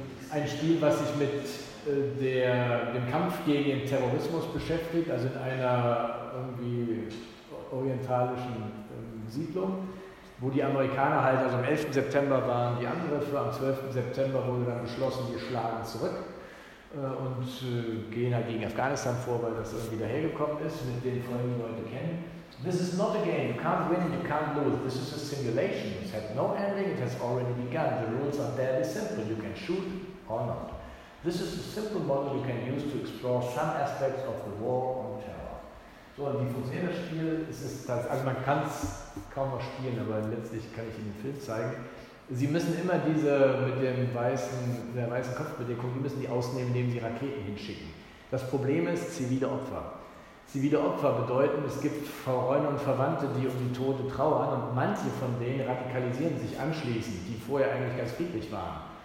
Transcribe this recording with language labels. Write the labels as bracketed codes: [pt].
[de] Ein Spiel, was sich mit dem Kampf gegen den Terrorismus beschäftigt, also in einer irgendwie orientalischen Siedlung, wo die Amerikaner halt, also am 11. September waren die Angriffe, am 12. September wurde dann beschlossen, wir schlagen zurück und gehen halt gegen Afghanistan vor, weil das irgendwie dahergekommen ist, mit den Freunden, die Leute kennen. [en] This is not a game, you can't win, you can't lose, this is a simulation, it had no ending, it has already begun, the rules are fairly simple, you can shoot or not. This is a simple model you can use to explore some aspects of the war on terror. [de] So, und wie funktioniert das Spiel? Man kann es kaum noch spielen, aber letztlich kann ich Ihnen den Film zeigen. Sie müssen immer diese mit der weißen Kopfbedeckung, die müssen die ausnehmen, indem sie Raketen hinschicken. Das Problem ist zivile Opfer. Zivile Opfer bedeuten, es gibt Freunde und Verwandte, die um die Tote trauern und manche von denen radikalisieren sich anschließend, die vorher eigentlich ganz friedlich waren.